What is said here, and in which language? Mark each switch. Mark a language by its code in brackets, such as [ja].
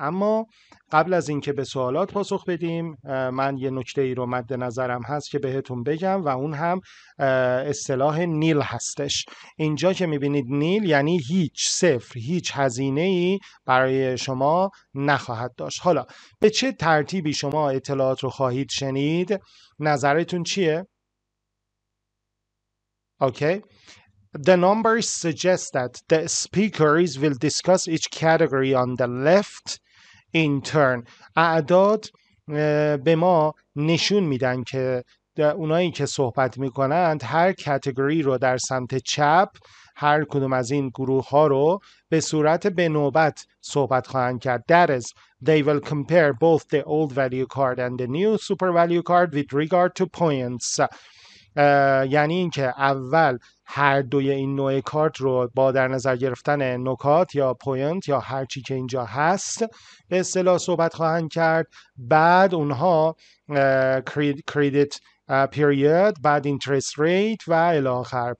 [fa] اما قبل از اینکه به سوالات پاسخ بدیم من یه نکته ای رو مد نظرم هست که بهتون بگم و اون هم اصطلاح نیل هستش. اینجا که میبینید نیل یعنی هیچ, صفر, هیچ هزینه ای برای شما نخواهد داشت. حالا به چه ترتیبی شما اطلاعات رو خواهید شنید؟ نظرتون چیه؟ اوکی؟ [en] The numbers suggest that the speakers will discuss each category on the left in turn. [fa] اعداد به ما نشون میدن که اونایی که صحبت میکنند هر کاتگوری رو در سمت چپ هر کدوم از این گروه ها رو به صورت به نوبت صحبت خواهند کرد. [en] That is, they will compare both the old value card and the new super value card with regard to points. [fa] یعنی این که اول هر دوی این نوع کارت رو با در نظر گرفتن نکات یا پوینت یا هر چی که اینجا هست به اصطلاح صحبت خواهند کرد، بعد اونها کریدیت پیریود، بعد اینترست ریت و الاخر.